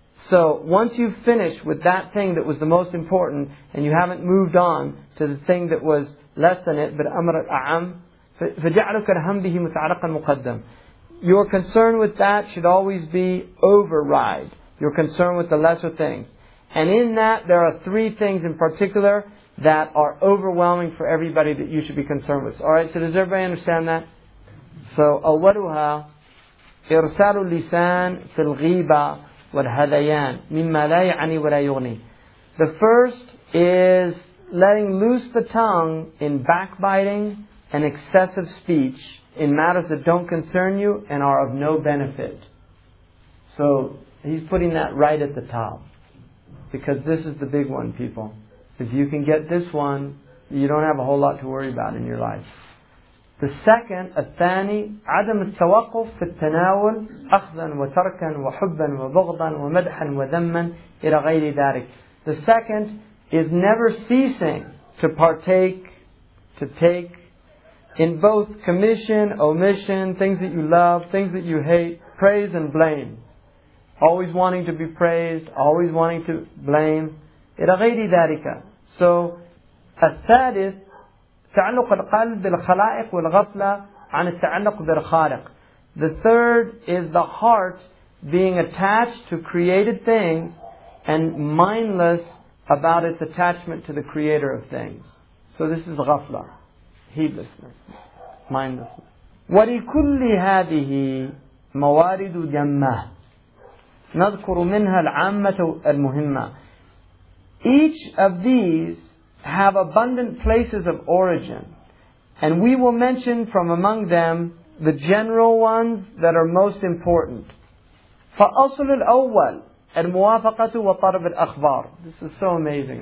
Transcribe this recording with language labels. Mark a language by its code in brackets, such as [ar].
[en] So once you've finished with that thing that was the most important and you haven't moved on to the thing that was less than it, but [ar] أَمْرَ الْأَعَمِ فَجَعْلُكَ الْهَمْ بِهِ مُتَعَلَقًا مُقَدَّمًا. [en] Your concern with that should always be override. Your concern with the lesser things. And in that, there are three things in particular that are overwhelming for everybody that you should be concerned with. Alright, so does everybody understand that? [ar] So, أَوَّلُهَا إِرْسَالُ اللِّسَانِ فِي الْغِيبَةِ والهذيان مما لا يعني ولا يغني. [en] The first is letting loose the tongue in backbiting and excessive speech in matters that don't concern you and are of no benefit. So he's putting that right at the top, because this is the big one, people. If you can get this one, you don't have a whole lot to worry about in your life. The second, [ar] الثاني, عدم التوقف في التناول أخذا وتركا وحبا وبغضا ومدحا وذما إلى غير ذلك. [en] The second is never ceasing to partake, to take in both commission, omission, things that you love, things that you hate, praise and blame. Always wanting to be praised, always wanting to blame. [ar] إلى غير ذلك. So, الثالث, تعلق القلب بالخلائق والغفلة عن التعلق بالخالق. [en] The third is the heart being attached to created things and mindless about its attachment to the creator of things. So this is غفلة, heedlessness, mindlessness. [ar] ولكل هذه موارد جمة نذكر منها العامة المهمة. [en] Each of these have abundant places of origin. And we will mention from among them the general ones that are most important. [ar] فَأَصْلُ الْأَوَّلِ الْمُوَافَقَةُ وَطَرَبِ الْأَخْبَارِ. [en] This is so amazing.